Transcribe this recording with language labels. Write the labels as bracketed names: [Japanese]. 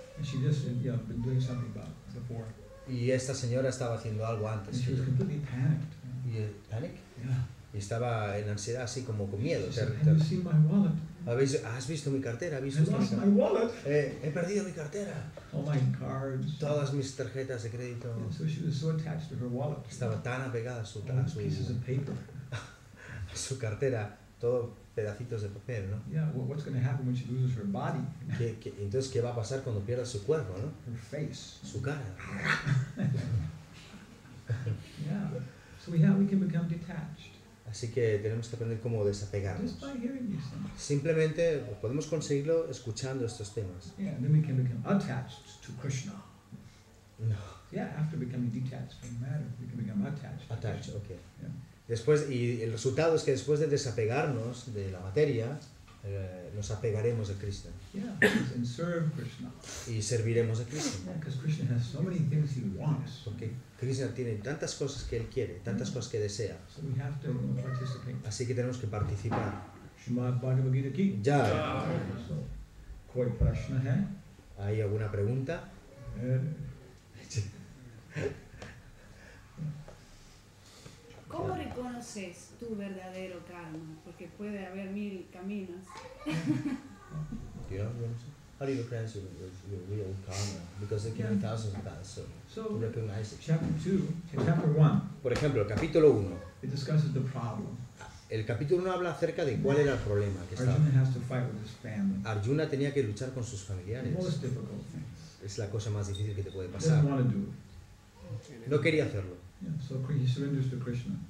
[English] And she just, you know, been doing something about it before. [Spanish] Y esta señora estaba haciendo algo antes. [English] And she was completely panicked. [Spanish] Y [English] panic. Yeah. [Spanish] Y estaba en ansiedad, así como con miedo. [English] She said, "Have you seen my wallet?" [Spanish] ¿Has visto mi cartera? He perdido mi cartera. [English] All my cards. [Spanish] Todas mis tarjetas de crédito. [English] And so she was so attached to her wallet. [Spanish] Estaba tan apegada a su [English] pieces of paper. [Spanish] A su cartera, todos pedacitos de papel, ¿no? [English] Yeah, well, what's going to happen when she loses her body? [Spanish] Entonces, ¿qué va a pasar cuando pierda su cuerpo, ¿no? [English] Her face. [Spanish] Su cara. [English] Yeah. So we can become detached. [Spanish] Así que tenemos que aprender cómo desapegarnos. [English] Just by hearing these things. [Spanish] Simplemente podemos conseguirlo escuchando estos temas. [English] Yeah, then we can become attached to Krishna. [Spanish] No. [English] Yeah, after becoming detached from matter, we can become attached. Attached, to okay. Yeah. [Spanish] Después, y el resultado es que después de desapegarnos de la materia, nos apegaremos a Krishna. [English] Yeah, and serve Krishna. [Spanish] Y serviremos a Krishna. [English] Yeah, because Krishna has so many things he wants. [Spanish] Porque Krishna tiene tantas cosas que él quiere, tantas cosas que desea. [English] So we have to participate. [Spanish] Así que tenemos que participar. [Hindi] Shrimad Bhagavad Gita ki. Ya. ¿Koi prashna hai? [Spanish] ¿Hay alguna pregunta? ¿Cómo reconoces tu verdadero karma? Porque puede haber mil caminos. [English] How do you recognize your real karma? Because there can be thousands of paths, so to recognize it. Chapter 1. [Spanish] Por ejemplo, el capítulo 1. [English] It discusses the problem. [Spanish] El capítulo 1 habla acerca de cuál era el problema que [English] estaba. Arjuna has to fight with his family. [Spanish] Arjuna tenía que luchar con sus familiares. [English] The most difficult things. [Spanish] Es la cosa más difícil que te puede pasar. [English] He doesn't want to do it. [Spanish] No quería hacerlo. [English] Yeah, so he surrenders to Krishna.